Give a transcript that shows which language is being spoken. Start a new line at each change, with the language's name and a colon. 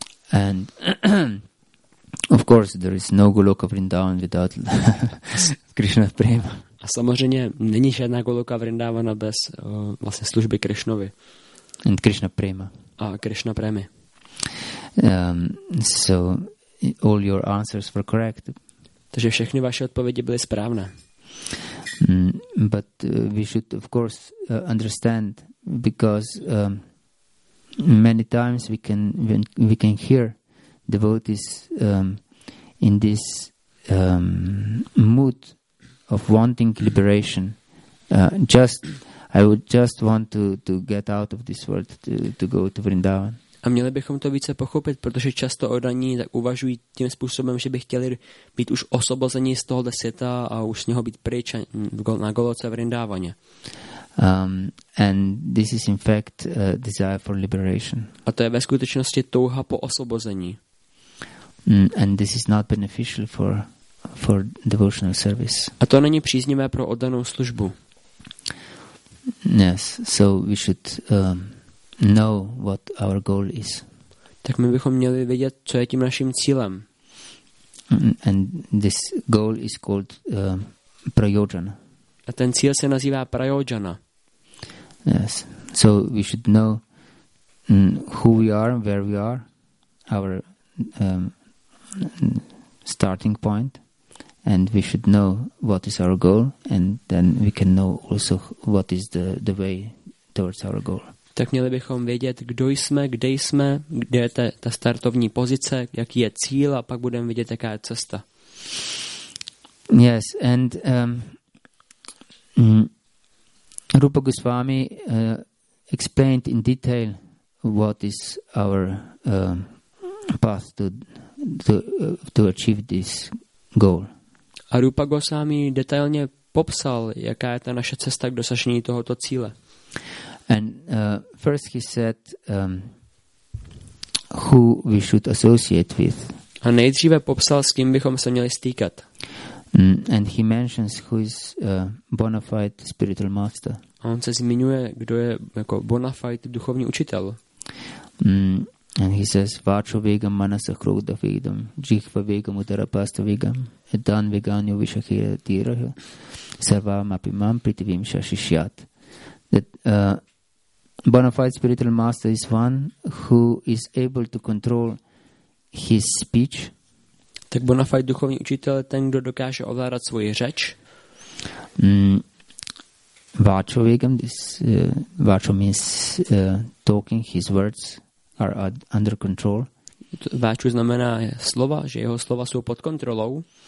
English: And of course there is no Goloka Vrindavan without Krishna's prema.
Czech: A samozřejmě není žádná Goloka Vrindávana bez vlastně služby Krishnovi.
English: And Krishna prema.
Czech: A Krishna prema.
English: So all your answers were correct.
Czech: Takže všechny vaše odpovědi byly správné.
English: But we should of course understand, because many times we can hear devotees in this mood of wanting liberation. I would just want to get out of this world to go to Vrindavan.
Czech: A měli bychom to více pochopit, protože často oddaní tak uvažují tím způsobem, že by chtěli být už osobození z tohoto světa a už z něho být pryč a na Goloce Vrindavaně.
English: And this is in fact desire for liberation.
Czech: A to je ve skutečnosti touha po osvobození.
English: And this is not beneficial for devotional service.
Czech: A to není příznivé pro oddanou službu.
English: Yes, so we should know what our goal is.
Czech: Tak my bychom měli vědět, co je tím naším cílem.
English: And this goal is called prayojana.
Czech: A ten cíl se nazývá prayojana.
English: Yes, so we should know who we are, where we are, our starting point, and we should know what is our goal, and then we can know also what is the way towards our goal.
Czech: Tak měli bychom vědět, kdo jsme, kde je ta startovní pozice, jaký je cíl, a pak budeme vidět, jaká je cesta.
English: Yes, and Rupa Goswami explained in detail what is our path to achieve this goal.
Czech: A Rupa Goswami detailně popsal, jaká je ta naše cesta k dosažení tohoto cíle.
English: And first he said who we should associate with.
Czech: A nejdříve popsal, s kým bychom se měli stýkat.
English: And he mentions who is a bona fide spiritual master.
Czech: A on se zmiňuje, kdo je jako bona fide duchovní učitel.
English: And he says
Sanskrit: vacho vegam manasa krodha vegam jihva vegam udara pasta vegam etan veganyo vishakhira tirah sarvam apimam pritivim shashishyat.
English: That bona fide spiritual master is one who is able to control his speech.
Czech: Tak bona fide duchovní učitel je ten, kdo dokáže ovládat svoji řeč.
English: Vacho vegam, this vacho means talking, his words are under control.
Czech: Vacho znamená slova, že jeho slova jsou pod kontrolou.